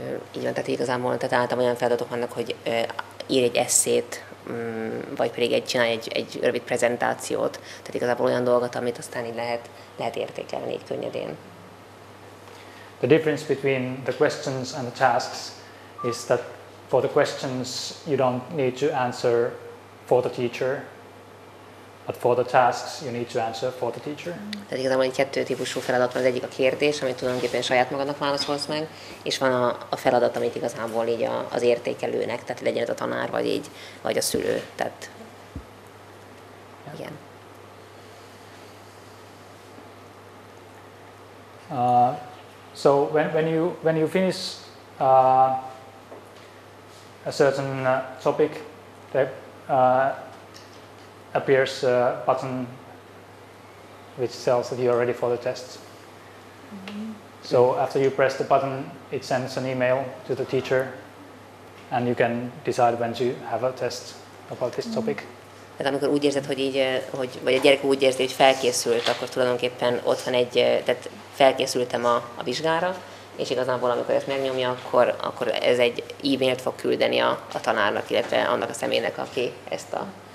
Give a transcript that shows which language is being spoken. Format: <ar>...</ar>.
<hu>Igen, tehát igazából, tehát általában olyan feladatok vannak, hogy ír egy esszét, vagy pedig csinálj egy rövid prezentációt. Tehát igazából olyan dolgot, amit aztán így lehet értékelni így könnyedén.</hu> <en>The difference between the questions and the tasks is that for the questions you don't need to answer for the teacher. But for the tasks you need to answer for the teacher.</en> <hu>Tehát igazából egy kettő típusú feladat van, az egyik a kérdés, amit tulajdonképpen saját magadnak válaszolsz meg, és van a feladat, amit igazából így az értékelőnek, tehát legyen ez a tanár, vagy így, vagy a szülő, tehát igen.</hu> <en>So when you finish a certain topic, that appears a button which tells that you are ready for the test. Mm-hmm. So after you press the button, it sends an email to the teacher, and you can decide when to have a test about this topic.</en> <hu>Tehát amikor úgy érzed, hogy így, hogy, vagy a gyerek úgy érzi, hogy felkészült, akkor tulajdonképpen ott van egy, tehát felkészültem a vizsgára, és igazából amikor ezt megnyomja, akkor ez egy e-mailt fog küldeni a tanárnak, illetve annak a személynek, aki ezt a</hu>